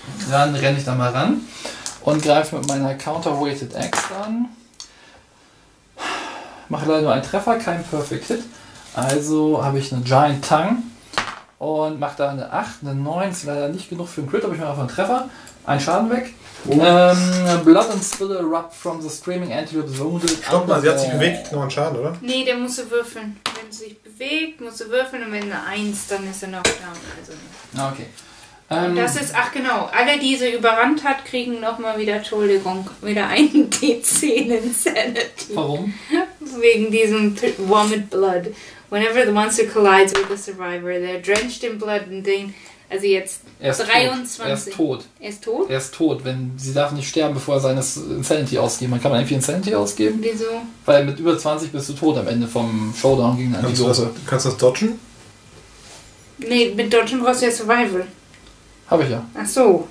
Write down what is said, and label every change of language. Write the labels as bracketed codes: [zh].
[de] Dann renne ich da mal ran und greife mit meiner Counterweighted Axe an. Mache leider nur einen Treffer, kein Perfect Hit. Also habe ich eine Giant Tongue und mache da eine 8, eine 9. Ist leider nicht genug für einen Crit, aber ich mache einfach einen Treffer. Einen Schaden weg. Oh. [en] Blood and Spill erupt from the screaming antelope wounded. [de] Stopp mal, sie hat sich bewegt, noch einen Schaden, oder? Nee, der muss sie würfeln. Wenn sie sich bewegt, muss sie würfeln und wenn eine 1, dann ist er noch down. Also. Okay. Das ist, ach genau, alle, die sie überrannt hat, kriegen nochmal wieder, Entschuldigung, wieder einen D10 in Sanity. Warum? Wegen diesem Vomit Blood. [en] Whenever the monster collides with the survivor, they're drenched in blood and then. [de] Also jetzt er ist 23. Tot. Er ist tot. Er ist tot. Wenn sie darf nicht sterben, bevor er seine Insanity ausgeben. Dann kann man irgendwie Insanity ausgeben. Wieso? Weil mit über 20 bist du tot am Ende vom Showdown gegen einen Antilope. Kannst du das dodgen? Nee, mit dodgen brauchst du ja Survival. Hab ich ja. Ach so.